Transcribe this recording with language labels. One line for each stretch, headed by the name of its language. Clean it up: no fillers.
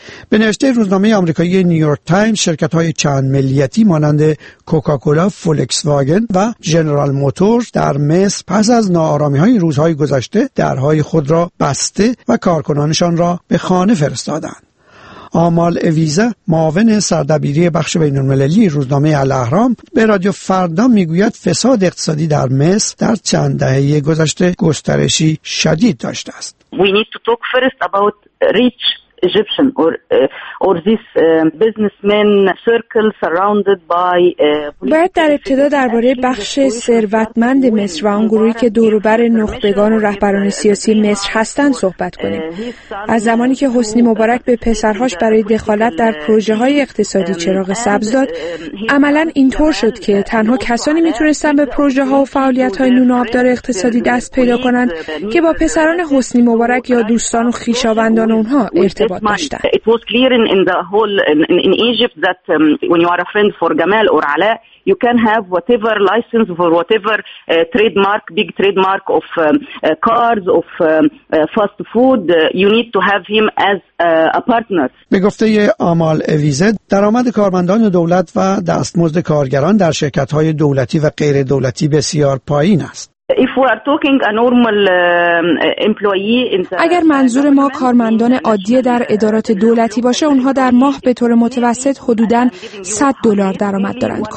Persian: به نوشته روزنامه آمریکایی نیویورک تایمز، شرکت‌های چند ملیتی مانند کوکاکولا، فولکس واگن و جنرال موتورز در مصر پس از ناآرامی‌های روزهای گذشته درهای خود را بسته و کارکنانشان را به خانه فرستادند. آمال اویزا، معاون سردبیری بخش بین‌المللی روزنامه الاهرام، به رادیو فردا میگوید فساد اقتصادی در مصر در چند دهه گذشته گسترشی شدید داشته است.
English: We need to talk first about rich Egyptian or this businessmen circle surrounded by
Persian: باید در ابتدا درباره بخش ثروتمند مصر و اون گروهی که دوروبر نخبگان و رهبران سیاسی مصر هستند صحبت کنیم. از زمانی که حسنی مبارک به پسرهاش برای دخالت در پروژه های اقتصادی چراغ سبز داد، عملا اینطور شد که تنها کسانی میتونستن به پروژه ها و فعالیت های نون آبدار اقتصادی دست پیدا کنند که با پسران حسنی مبارک یا دوستان و خویشاوندان اونها
English: It was clear in the whole in Egypt that when you are a friend for Gamal or Ala, you can have whatever license for whatever trademark, big trademark of cars, of fast food. You need to have him as a partner.
Persian: به گفته آمال اویزه، درآمد کارمندان دولت و دستمزد کارگران در شرکت‌های دولتی و غیر دولتی بسیار پایین است.
English: If we are talking a normal employee,
Persian: اگر منظور ما کارمندان عادی در ادارات دولتی باشه، اونها در ماه به طور متوسط حدوداً $100 درآمد دارند.